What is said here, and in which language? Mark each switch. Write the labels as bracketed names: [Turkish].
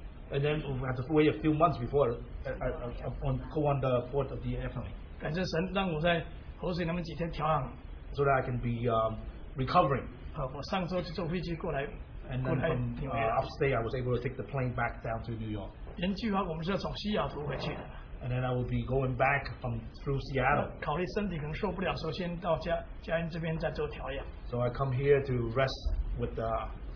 [English] And then, we had to wait a few months before go on the board of the airplane. [Chinese] 感谢神让我在口水那么几天调养。 [English] So that I can be recovering. [Chinese] 我上周就坐飞机过来，过来。 [English] And from upstate, I was able to take the plane back down to New York. [Chinese] 原计划我们是要从西雅图回去。 [English] And then I will be going back from through Seattle. [Chinese] 考虑身体可能受不了，首先到家人这边再做调养。 [English] So I come here to rest with the.